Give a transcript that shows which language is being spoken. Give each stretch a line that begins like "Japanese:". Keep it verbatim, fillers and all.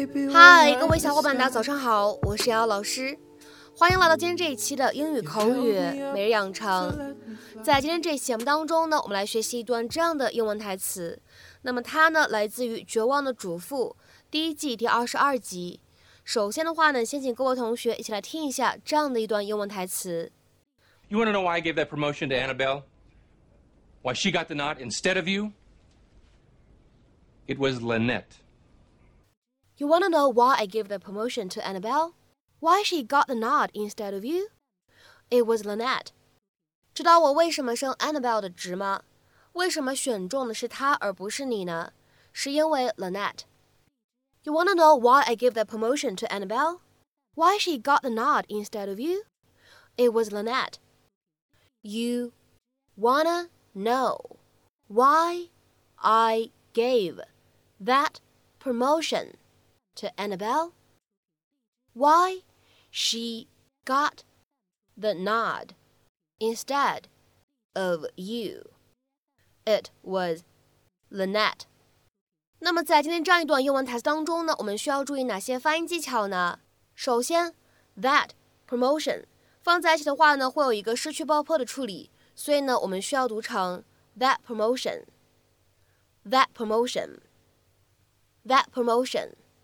Chinese: 嗨，各位小伙伴大家早上好，我是瑶瑶老师，欢迎来到今天这一期的英语口语每日养成。在今天这一期节目当中呢，我们来学习一段这样的英文台词。那么它呢来自于《绝望的主妇》第一季第二十二集。首先的话呢，先请各位同学一起来听一下这样的一段英文台词。
English: You want to know why I gave that promotion to Annabelle? Why she got the nod instead of you? It was Lynette. You want to know why I gave the promotion to Annabelle? Why she got the nod instead of you? It was Lynette.
Chinese: 知道我为什么升 Annabelle 的职吗？为什么选中的是她而不是你呢？是因为 Lynette.
English: You want to know why I gave the promotion to Annabelle? Why she got the nod instead of you? It was Lynette. You wanna know why I gave that promotion. To Annabelle, why she got the nod instead of you. It was Lynette.
Chinese: 那么在今天这样一段英文台词当中呢，我们需要注意哪些发音技巧呢？首先 that promotion 放在一起的话呢，会有一个失去爆破的处理，所以呢，我们需要读成 that promotion, that promotion, that promotion.